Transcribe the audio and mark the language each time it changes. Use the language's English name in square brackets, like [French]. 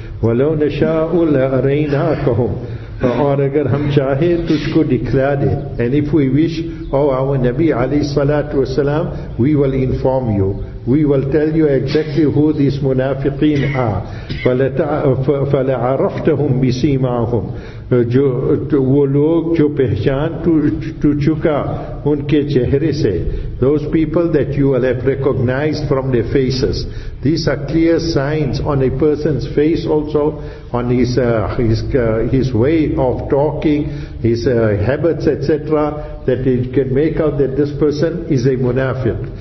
[Arabic] وَلَوْ نَشَاءُ لَأَرَيْنَاكَهُمْ. [Urdu] Or agar hum chahe tujhko dikhla de. [English] And if we wish, oh our Nabi alayhi salatu wasalam, we will inform you. We will tell you exactly who these munafiqeen are. [Arabic] فَلَعَرَفْتَهُمْ بِسِيمَاهُمْ. [Urdu] وہ لوگ جو پہچان تو چکا ان کے چہرے سے. [English] Those people that you will have recognized from their faces. These are clear signs on a person's face also, on his way of talking, his habits, etc., that it can make out that this person is a munafiq.